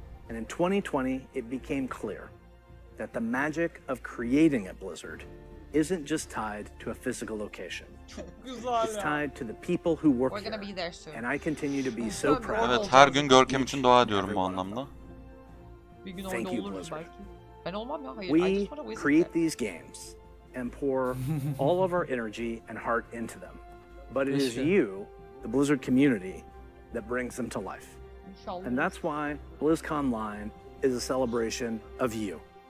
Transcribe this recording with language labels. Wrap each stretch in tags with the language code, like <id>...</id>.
<en>And in 2020 it became clear that the magic of creating a blizzard isn't just tied to a physical location. It's tied to the people who work here. And I continue to be so proud.</en> <tr>Evet her gün Görkem için dua ediyorum bu anlamda. Bir gün</tr> <en>Thank you,</en> <tr>Blizzard. Ben olmam ya, hayır.</tr> <en>We create these games and pour all of our energy and heart into them. But it is you, the Blizzard community, that brings them to life.</en> <tr>İnşallah.</tr> <en>And that's why BlizzCon Line is a celebration of you.</en>